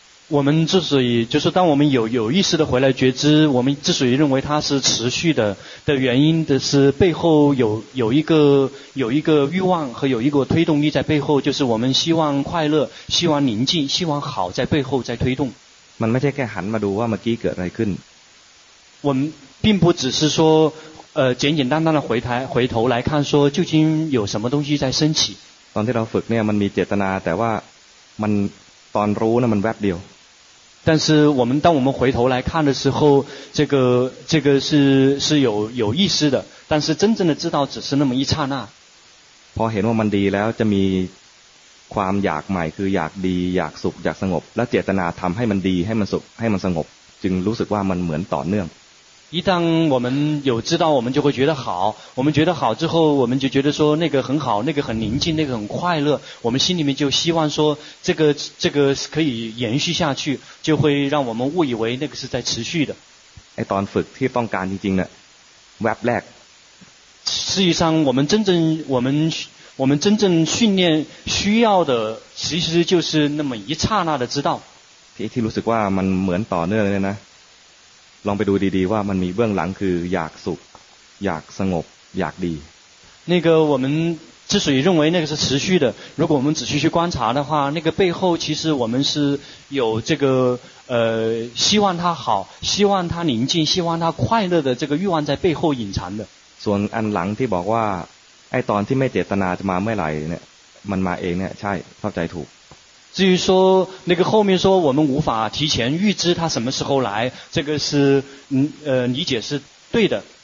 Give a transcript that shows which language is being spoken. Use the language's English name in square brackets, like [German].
[Chinese] 我们之所以就是当我们有意识的回来觉知，我们之所以认为它是持续的原因的是背后有一个欲望和有一个推动力在背后，就是我们希望快乐，希望宁静，希望好在背后在推动。 [Thai] มันไม่ใช่แค่หันมาดูว่าเมื่อกี้เกิดอะไรขึ้น。 [Chinese] 我们并不只是说简简单单的回头来看说究竟有什么东西在升起。 [Thai] ตอนที่เราฝึกเนี่ยมันมีเจตนาแต่ว่ามันตอนรู้นะมันแวบเดียว [Chinese] 但是我们当我们回头来看的时候这个是有意识的但是真正的知道只是那么一刹那 [Thai] พอเห็นว่ามันดีแล้วจะมีความอยากใหม่คืออยากดีอยากสุขอยากสงบและเจตนาทำให้มันดีให้มันสุขให้มันสงบจึงรู้สึกว่ามันเหมือนต่อเนื่อง [Chinese] 一旦我们有知道我们就会觉得好我们觉得好之后我们就觉得说那个很好那个很宁静那个很快乐我们心里面就希望说这个可以延续下去就会让我们误以为那个是在持续的 [Thai] ไอ้ตอนฝึกที่ต้องการจริงๆเนี่ยแวบแรก [Chinese] 实际上我们真正训练需要的其实就是那么一刹那的知道 [Thai] ที่รู้สึกว่ามันเหมือนต่อเนื่องเลยนะลองไปดูดีๆว่ามันมีเบื้องหลังคืออยากสุขอยากสงบอยากดี [Chinese] 那个我们之所以认为那个是持续的如果我们仔细去观察的话那个背后其实我们是有这个希望它好希望它宁静希望它快乐的这个欲望在背后隐藏的 [Thai] ส่วนอันหลังที่บอกว่าไอ้ตอนที่ไม่เจตนาจะมาเมื่อไหร่เนี่ยมันมาเองเนี่ยใช่เข้าใจถูก [Chinese] 至于说那个后面说我们无法提前预知它什么时候来，这个是理解是对的。